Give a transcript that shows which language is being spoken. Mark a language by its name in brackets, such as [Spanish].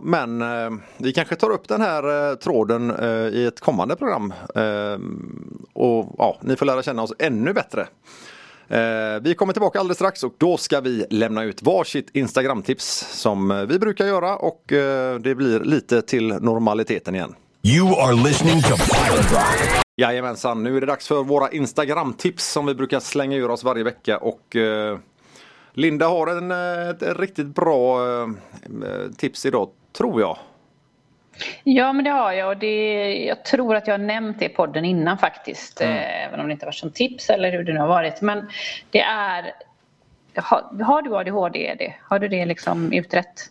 [Swedish] Men vi kanske tar upp den här tråden i ett kommande program. Och ja, ni får lära känna oss ännu bättre. Vi kommer tillbaka alldeles strax och då ska vi lämna ut varsitt Instagram-tips som vi brukar göra och det blir lite till normaliteten igen. [English] You are listening to Pirate. [Swedish] Jajamensan, nu är det dags för våra Instagram-tips som vi brukar slänga ur oss varje vecka och Linda har ett riktigt bra tips idag, tror jag. Ja, men det har jag och jag tror att jag har nämnt det i podden innan faktiskt, även om det inte var som tips eller hur det nu har varit, men det är, har du ADHD, har du det liksom utrett?